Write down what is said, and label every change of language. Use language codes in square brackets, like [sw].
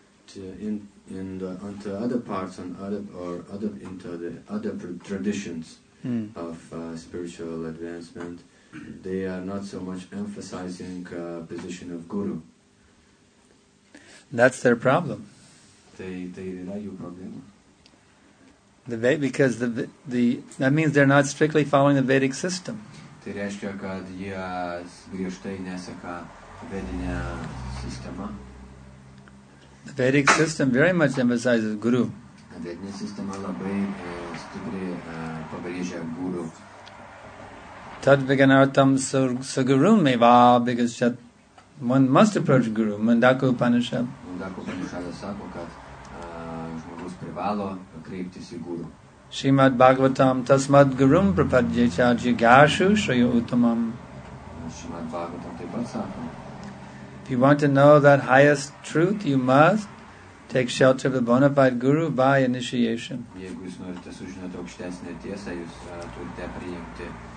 [en] onto other parts and other or other into the other traditions of spiritual advancement, they are not so much emphasizing position of guru. That's their problem. [lt] They yra jų problema. [en] Because that means they're not strictly following the Vedic system. [lt] Tai reiškia, kad jie griežtai neseka vedinė sistema. [en] The Vedic system very much emphasizes guru. [lt] Vedinė sistema labai stipriai pabrėžia guru. [sa] Tad viganartam sagurum eva, [en] because that one must approach guru, Mundaka Upanishad. [lt] Mundaka Upanishad sako, kad žmogus privalo kreiptis į guru. [sa] Shrimad Bhagavatam tasmad gurum prapadya cha jigashu shraya uttamam. [lt] Shrimad Bhagavatam taip pat sako. [en] If you want to know that highest truth, you must take shelter of the bona fide guru by initiation. [lt] Jeigu jūs norite sužinoti aukštesnę tiesą, jūs turite priimti.